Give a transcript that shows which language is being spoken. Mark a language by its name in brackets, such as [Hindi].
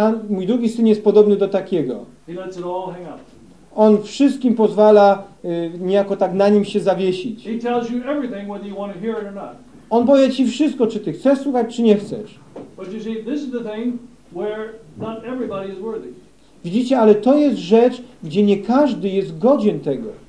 [Polish] Mój drugi syn jest podobny do takiego. [English] He lets it all hang out. [Polish] On wszystkim pozwala niejako tak na nim się zawiesić. [English] He tells you everything, whether you want to hear it or not. [Polish] On powie ci wszystko, czy ty chcesz słuchać, czy nie chcesz. [English] But you see, this is the thing where not everybody is worthy. [Polish] Widzicie, ale to jest rzecz, gdzie nie każdy jest godzien tego.